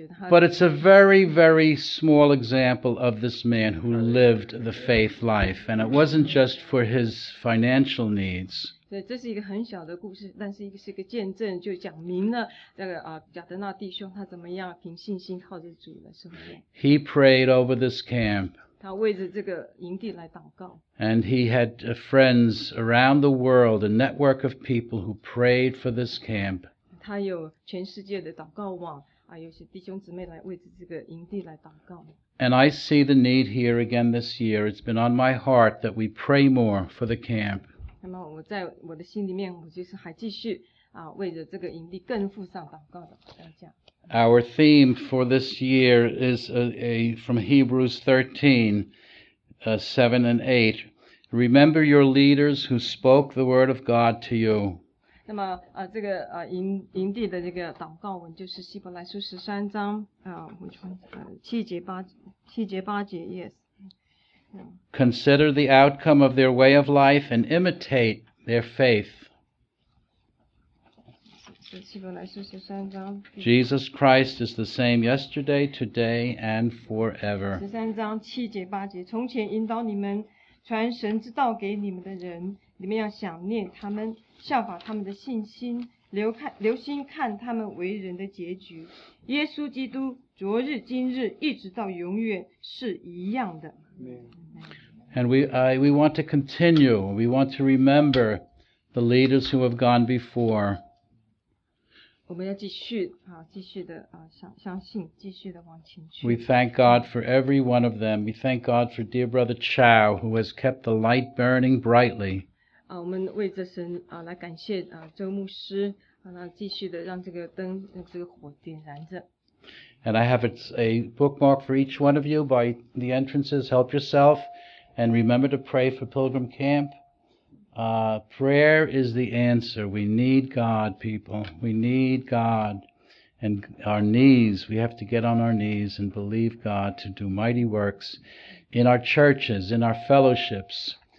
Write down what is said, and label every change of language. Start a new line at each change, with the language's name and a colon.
English: But it's a very, very small example of this man who lived the faith life, and it wasn't just for his financial needs.
Chinese: 对，这是一个很小的故事，但是是一个见证，就讲明了这个贾德纳弟兄他怎么样凭信心靠着主来生活。
English: He prayed over this camp.
Chinese: 他为着这个营地来祷告。
English: And he had friends around the world, a network of people who prayed for this camp.
Chinese: 他有全世界的祷告网，有些弟兄姊妹来为着这个营地来祷告。
English: And I see the need here again this year. It's been on my heart that we pray more for the camp.
Chinese: 那么我在我的心里面，我就是还继续为着这个营地更付上祷告的代价。
English: Our theme for this year is from Hebrews 13, 7 and 8. Remember your leaders who spoke the word of God to you.
Chinese: 那么这个营地的这个祷告文就是希伯来书十三章七节八节 yes.
English: Consider the outcome of their way of life and imitate their faith.
Chinese: 希伯来书十三章。
English: Jesus Christ is the same yesterday, today, and forever.
Chinese: 十三章七节八节，从前引导你们传神之道给你们的人，你们要想念他们。效法他们的信心，留心看他们为人的结局。耶稣基督昨日今日一直到永远是一样的。
English: And we want to continue. We want to remember the leaders who have gone before.
Chinese: 我们要继续继续的相信，继续的往前去。
English: We thank God for every one of them. We thank God for dear brother Chow who has kept the light burning brightly.
Chinese: 我们为着神来感谢周牧师继续的让这个灯这个火点燃着。
English: And I have a bookmark for each one of you by the entrances. Help yourself and remember to pray for Pilgrim Camp. Prayer is the answer. We need God, people. We need God. And our knees, we have to get on our knees and believe God to do mighty works in our churches, in our fellowships.